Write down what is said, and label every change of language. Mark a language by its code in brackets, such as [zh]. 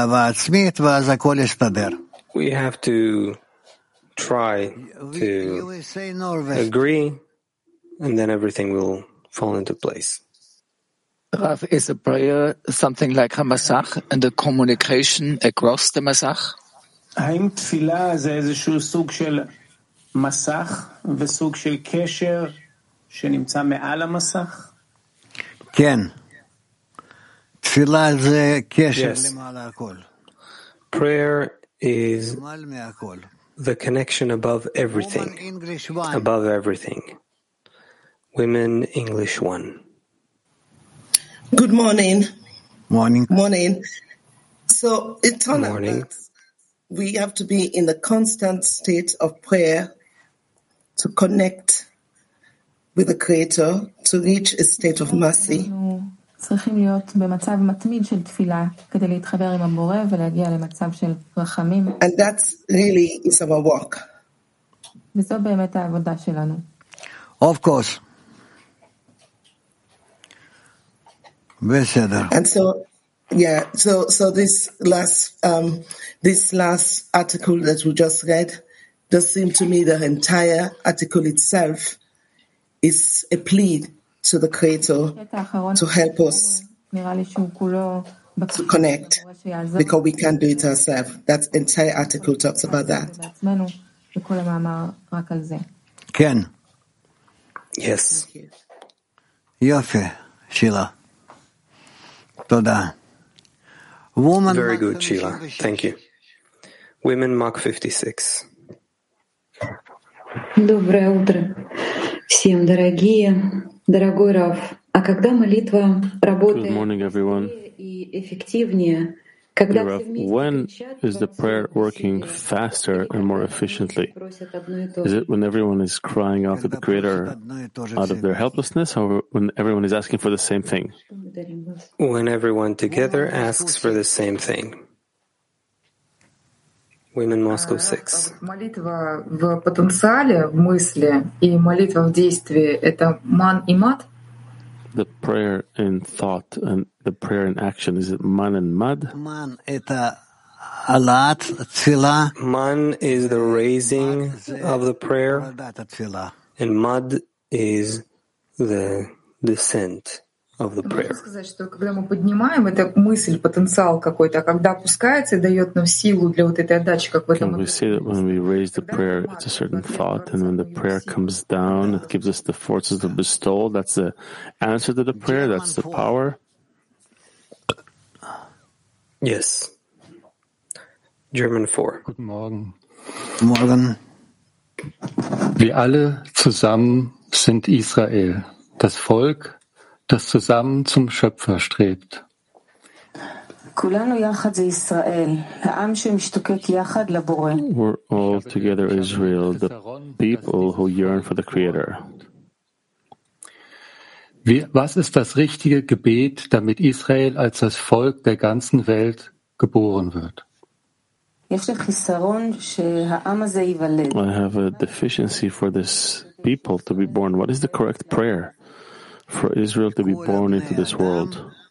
[en] We have to try to agree, and then everything will fall into place. Rav, is a prayer something like a masach and a communication across the masach? [he] מסך וסוג של קשר שנמצא מעל המסך? כן. תפילה זה קשר למעלה הכל. [en] Prayer is the connection above everything. Above everything. Women English 1. Good morning. Morning. Morning. So it turns out that we have to be in a constant state of prayer to connect with the Creator, to reach a state of mercy. [he] צריכים להיות במצב מתמיד של תפילה כדי להתחבר עם הבורא ולהגיע למצב של רחמים. [en] And that's really is our work. [he] וזו באמת העבודה שלנו. [en] Of course. [he] בסדר. [en] And so, yeah, so this last article that we just read does seem to me the entire article itself is a plea to the Creator to help us to connect, because we can't do it ourselves. That entire article talks about that. [he] Ken. [en] Yes. [he] Yofe, Sheila. Toda. [en] Woman. Very good, Sheila. Thank you. Women Mark 56. [ru] Доброе утро всем, дорогие, дорогой Рав. А когда молитва работает [en] morning, [ru] и эффективнее, к [en] Rav, when is the prayer working faster and more efficiently? Is it when everyone is crying out to the Creator out of their helplessness, or when everyone is asking for the same thing? When everyone together asks for the same thing. Women Moscow 6. [ru] Молитва в потенциале, в мысли, и молитва в действии — это ман и мат? [en] The prayer in thought and the prayer in action, is it man and mad? [ru] Man это [he] алат тфила. [en] Man is the raising of the prayer, and mad is the descent of the prayer. [ru] Можно сказать, что когда мы поднимаем, это мысль, потенциал какой-то, а когда опускается и дает нам силу для вот этой отдачи, как в этом. [en] Can we say that when we raise the prayer, it's a certain thought, and when the prayer comes down, it gives us the forces to bestow? That's the answer to the prayer. That's the power. Yes. German 4. [de] Guten Morgen. Morgen. Wir alle zusammen sind Israel, das Volk, das zusammen zum Schöpfer strebt. [en] We're all together Israel, the people who yearn for the Creator. [de] Was ist das richtige Gebet, damit Israel als das Volk der ganzen Welt geboren wird? [en] I have a deficiency for this people to be born. What is the correct prayer for Israel to be born into this world?